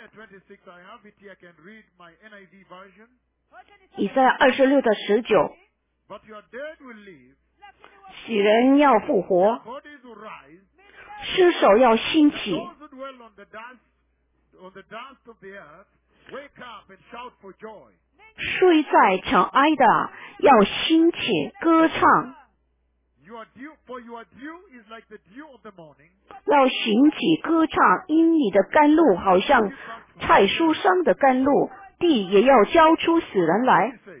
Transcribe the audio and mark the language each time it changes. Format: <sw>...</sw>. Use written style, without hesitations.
<en>I have it here. I can read my NIV version.</en> <zh>以赛亚二十六到十九。</zh> <en>But your dead will live.</en> <zh>死人要复活。</zh> <en>Bodies will rise.</en> <zh>尸首要兴起。</zh> <en>Those who dwell on the dust. On the dust of the earth, wake up and shout for joy.</en> <zh>睡在尘埃的要兴起歌唱。</zh> <en>You are dew, for your dew is like the dew of the morning.</en> <zh>要兴起歌唱，因你的甘露好像菜蔬上的甘露，地也要交出死人来。</zh>